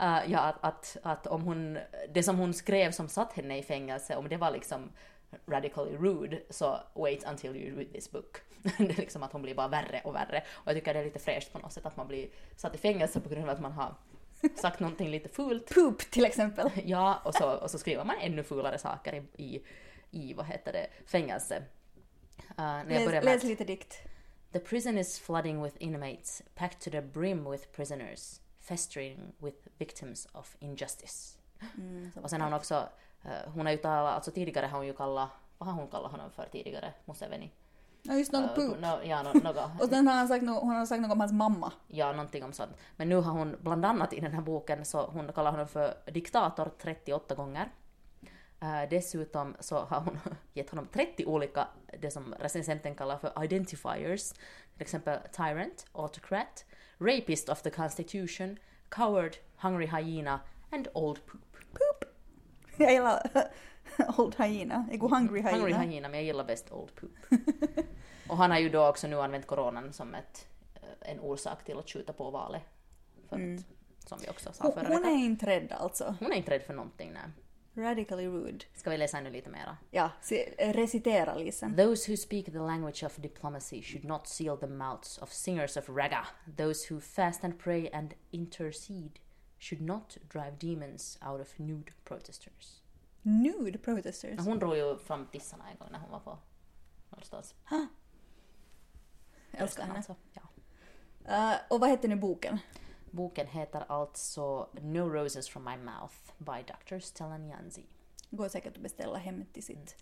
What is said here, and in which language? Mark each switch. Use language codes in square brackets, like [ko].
[sv] Ja, att om hon, det som hon skrev som satt henne i fängelse, om det var liksom [en] radically rude, [sv] så [en] wait until you read this book. [sv] Det är liksom att hon blir bara värre och värre. Och jag tycker det är lite fräscht på något sätt att man blir satt i fängelse på grund av att man har sagt någonting lite fult. Poop till exempel. Ja, och så skriver man ännu fulare saker i vad heter det, fängelse. Läs lite dikt. [en] The prison is flooding with inmates, packed to the brim with prisoners, festering with victims of injustice. [sv] Mm, och sen har hon också, hon har ju talat, alltså tidigare har hon ju kallat, vad har hon kallat honom för tidigare, Museveni? Ja, just någon poop. Och sen har hon sagt något om hans mamma. Ja, någonting om sånt. Men nu har hon bland annat i den här boken, så hon kallar honom för diktator 38 gånger. Dessutom så har hon gett honom 30 olika, det som recensenten kallar för identifiers. Till exempel [en] tyrant, autocrat, rapist of the constitution, coward, hungry hyena, and old poop. [sv] Poop! Jag gillar [en] old hyena. [sv] Jag går [en] hungry hyena. Hungry hyena, [sv] men jag gillar bäst [en] old poop. [sv] Och han har ju då också nu använt coronan som en orsak till att skjuta på valet. För att, som vi också sa förra veckan. Hon är inte rädd alltså. Hon är inte rädd för någonting, nej. [en] Radically rude. [sv] Ska vi läsa nu lite mera? Ja, recitera lite. [en] Those who speak the language of diplomacy should not seal the mouths of singers of ragga. Those who fast and pray and intercede should not drive demons out of nude protesters. Nude protesters? [sv] Hon drog ju fram tissarna en gång när hon var på någonstans. Huh? Jag älskar henne. Alltså. Ja. Och vad heter nu boken? Boken heter alltså No Roses From My Mouth by Dr. Stellan Jansi. Går säkert att beställa hem till sitt.